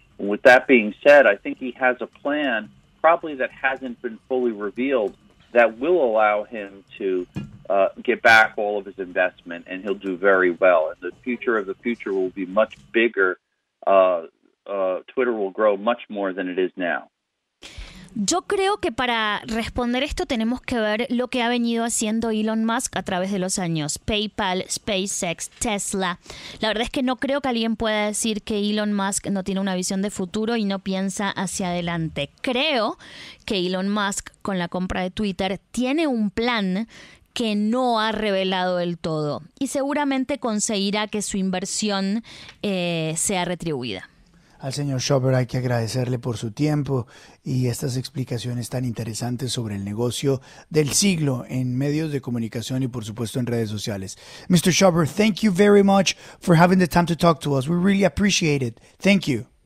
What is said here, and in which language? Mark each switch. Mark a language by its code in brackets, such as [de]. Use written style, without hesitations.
[en] And with that being said, I think he has a plan, probably that hasn't been fully revealed, that will allow him to get back all of his investment, and he'll do very well. And the future of the future will be much bigger. Twitter will grow much more than it is now. [es] Yo creo que para responder esto tenemos que ver lo que ha venido haciendo Elon Musk a través de los años. PayPal, SpaceX, Tesla. La verdad es que no creo que alguien pueda decir que Elon Musk no tiene una visión de futuro y no piensa hacia adelante. Creo que Elon Musk, con la compra de Twitter, tiene un plan que no ha revelado del todo y seguramente conseguirá que su inversión sea retribuida. Al señor Schober hay que agradecerle por su tiempo y estas explicaciones tan interesantes sobre el negocio del siglo en medios de comunicación y, por supuesto, en redes sociales. [en] Mr. Schober, thank you very much for having the time to talk to us. We really appreciate it. Thank you.